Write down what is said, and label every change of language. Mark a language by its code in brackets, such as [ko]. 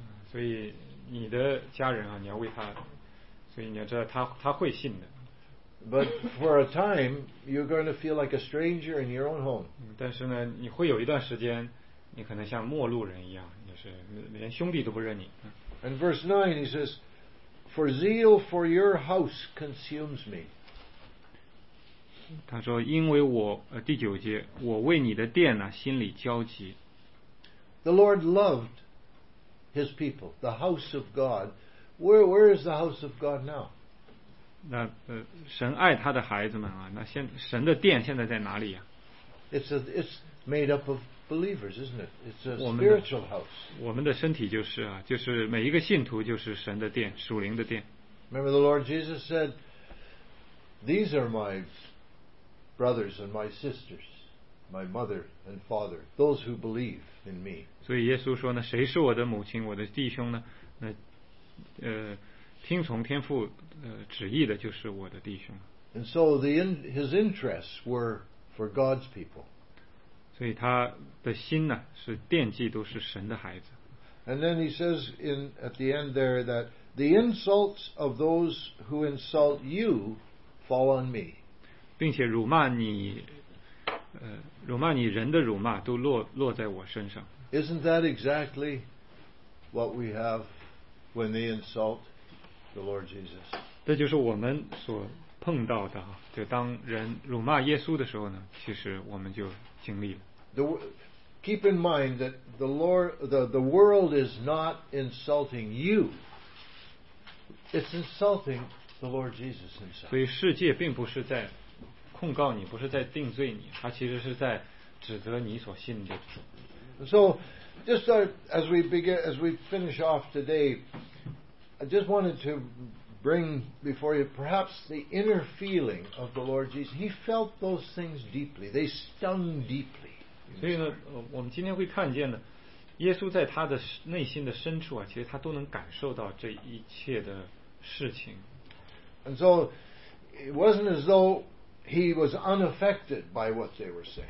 [zh] 所以你的家人啊，你要为他，所以你要知道他会信的。 [en] But for a time, you're going to feel like a stranger in your own home. [zh] 但是呢，你会有一段时间，你可能像陌路人一样，也是连兄弟都不认你。 [en] And verse 9, he says, "For zeal for your house consumes me." [zh] 他说因为我第九节我为你的殿呢、心里焦急。 [en] The Lord loved his people, the house of God. Where is the house of God now? [zh] 那神爱他的孩子们啊，那神的殿现在在哪里啊？ [en] It's made up of believers, isn't it? It's a spiritual house. [zh] 我们的身体就是啊，就是每一个信徒就是神的殿，属灵的殿。 [en] Remember the Lord Jesus said, "These are my brothers and my sisters, my mother and father, those who believe in me." [zh] 所以耶稣说呢，谁是我的母亲、我的弟兄呢？那听从天父旨意的，就是我的弟兄。 [en] And so his interests were for God's people. [zh] 所以他的心呢，是惦记都是神的孩子。 [en] And then he says in at the end there that the insults of those who insult you fall on me. [zh] 并且辱骂你，辱骂你人的辱骂都落在我身上。 [en] Isn't that exactly what we have when they insult the Lord Jesus? [zh] 这就是我们所碰到的，就当人辱骂耶稣的时候呢，其实我们就经历了。 [en] Keep in mind that the Lord, the world is not insulting you. It's insulting the Lord Jesus himself. [zh] 所以世界并不是在控告你，不是在定罪你，他其实是在指责你所信的。 [en] So, just as we begin, as we finish off today, I just wanted to bring before you perhaps the inner feeling of the Lord Jesus. He felt those things deeply. They stung deeply. [zh] 所以呢，我们今天会看见呢，耶稣在他的内心的深处啊，其实他都能感受到这一切的事情。 [en] And so, it wasn't as though. He was unaffected by what they were saying.